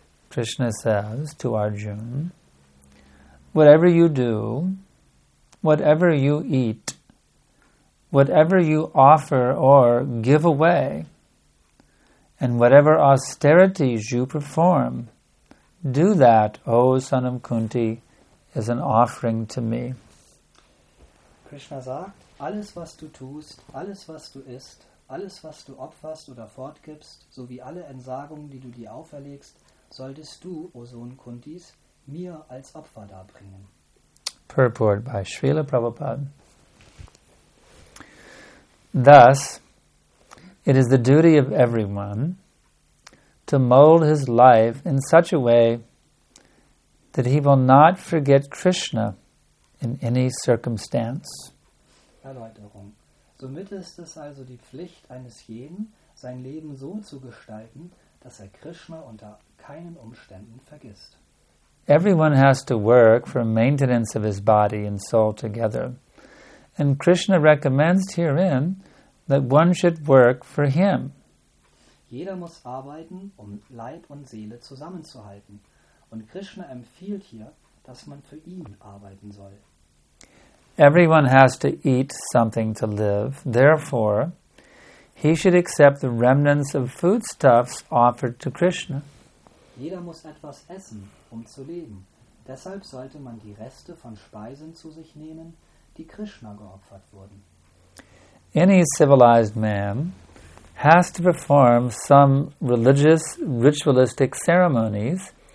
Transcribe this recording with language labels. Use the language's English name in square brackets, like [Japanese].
[English] Krishna says to Arjuna, whatever you do, whatever you eat, whatever you offer or give away, and whatever austerities you perform, do that, O son of Kunti, as an offering to me. [German] Krishna sagt, alles was du tust, alles was du isst, alles was du opferst oder fortgibst, sowie alle Entsagungen, die du dir auferlegst, solltest du, O Sohn Kuntis, mir als Opfer darbringen. [English] Purport by Srila Prabhupada. Thus, it is the duty of everyone to mold his life in such a way that he will not forget Krishna in any circumstance. [German] Erläuterung. Somit ist es also die Pflicht eines jeden, sein Leben so zu gestalten, dass er Krishna unter keinen Umständen vergisst. [English] Everyone has to work for maintenance of his body and soul together. And Krishna recommends herein that one should work for him. [German] Jeder muss arbeiten, um Leib und Seele zusammenzuhalten. Und Krishna empfiehlt hier, dass man für ihn arbeiten soll. [English] Everyone has to eat something to live. Therefore, he should accept the remnants of foodstuffs offered to Krishna. [German] Jeder muss etwas essen, um zu leben. Deshalb sollte man die Reste von Speisen zu sich nehmen, die Krishna geopfert wurden. [English] Any civilized man has to perform some religious ritualistic ceremonies.